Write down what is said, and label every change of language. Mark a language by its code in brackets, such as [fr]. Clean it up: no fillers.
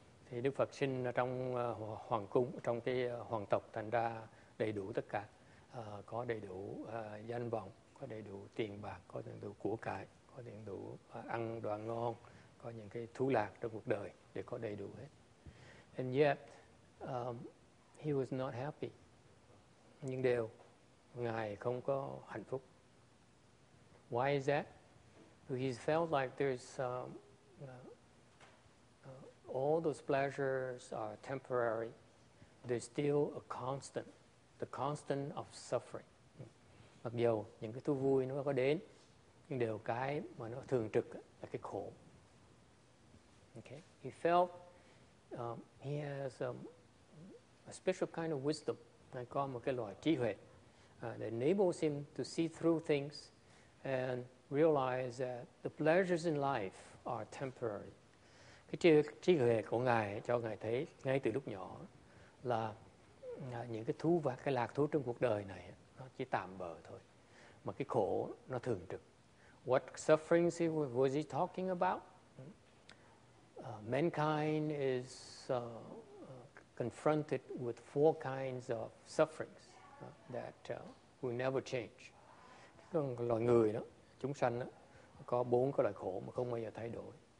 [vi] Thì Đức Phật sinh ở trong hoàng cung, trong cái hoàng tộc, thành ra đầy đủ tất cả, có đầy đủ danh vọng, có đầy đủ tiền bạc, có đầy đủ của cải, có đầy đủ ăn đồ ngon, có những cái thú lạc trong cuộc đời để có đầy đủ hết. [en] And yet, he was not happy. [vi] Nhưng đều ngài không có hạnh phúc. [en] Why is that? He felt like there's all those pleasures are temporary. There's still a constant, the constant of suffering. [vi] Mặc dù những cái thú vui nó có đến, nhưng đều cái mà nó thường trực là cái khổ. [en] Okay, he felt he has a special kind of wisdom. [vi] Nó có một cái loại trí huệ [en] that enables him to see through things and realize that the pleasures in life are temporary. [vi] Cái trí huệ của ngài cho ngài thấy ngay từ lúc nhỏ là những cái thú và cái lạc thú trong cuộc đời này nó chỉ tạm bợ thôi, mà cái khổ nó thường trực. [en] What sufferings was he talking about? Mankind is confronted with four kinds of sufferings that will never change. [vi] Còn loài người đó, chúng sanh đó, có bốn cái loại khổ mà không bao giờ thay đổi.